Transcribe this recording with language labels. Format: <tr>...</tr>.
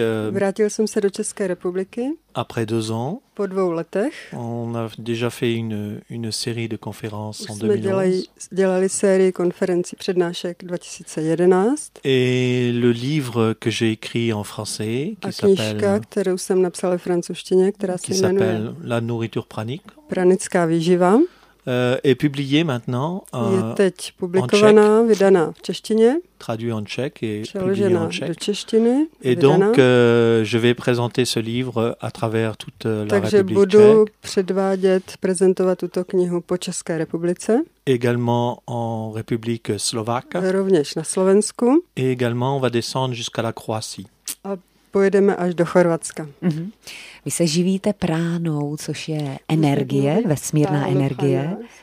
<cs>Vrátil jsem se do České republiky.</cs> <fr>Après deux ans.</fr> <cs>Po dvou letech.</cs> <fr>On a déjà fait une série de conférences en 2011.</fr> <cs>Dělali sérii konferencí přednášek 2011.</cs> <fr>Et le livre que j'ai écrit en français, qui s'appelle.</fr> <cs>Knížka, kterou jsem napsal ve francouzštině, která se jmenuje.</cs> <fr>Qui s'appelle La nourriture pranique.</fr> <cs>Pranická výživa.</cs> <fr>Est publié maintenant,</fr> <cs>je teď publikovaná, vydaná v češtině.</cs> <fr>Traduit en tchèque et publié en tchèque.</fr> <cs>Do češtiny,</cs> <fr>et donc je vais présenter ce livre à travers toute la République tchèque.</fr> <cs>Takže budu předvádět, prezentovat tuto knihu po České republice.</cs> <fr>Également en République slovaque.</fr> <cs>Rovněž na Slovensku.</cs> <fr>Et également on va descendre jusqu'à la Croatie.</fr> <cs>Pojedeme až do Chorvatska. Mm-hmm. Vy se živíte pránou, což je energie, vesmírná energie.</cs>